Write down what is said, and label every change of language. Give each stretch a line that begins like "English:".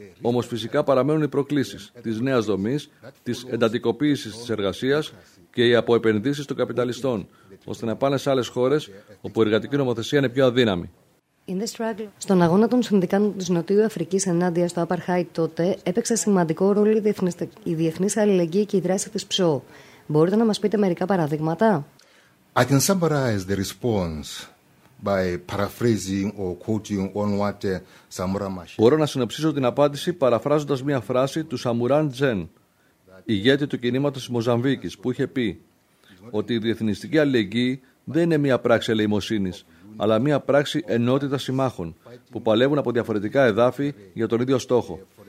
Greek: Όμως φυσικά παραμένουν οι προκλήσεις της νέας δομής, της εντατικοποίησης της εργασίας και οι αποεπενδύσεις των καπιταλιστών, ώστε να πάνε σε άλλες χώρες όπου η εργατική νομοθεσία είναι πιο αδύναμη. Στον αγώνα των συνδικάτων της Νοτιού Αφρικής ενάντια στο Apartheid τότε, έπαιξε σημαντικό ρόλο η διεθνής αλληλεγγύη και η δράση της ΨΟ. Μπορείτε να μας πείτε μερικά παραδείγματα?
English: I can summarize the response by paraphrasing or quoting on what Samura Machel.
Greek: Μπορώ να συνοψίσω την απάντηση παραφράζοντας μια φράση του Σαμουράν Τζεν, ηγέτη του κινήματος της Μοζαμβίκης, που είχε πει ότι η διεθνιστική αλληλεγγύη δεν είναι μια πράξη ελεημοσύνης, αλλά μια πράξη ενότητας συμμάχων που παλεύουν από διαφορετικά εδάφη για τον ίδιο στόχο.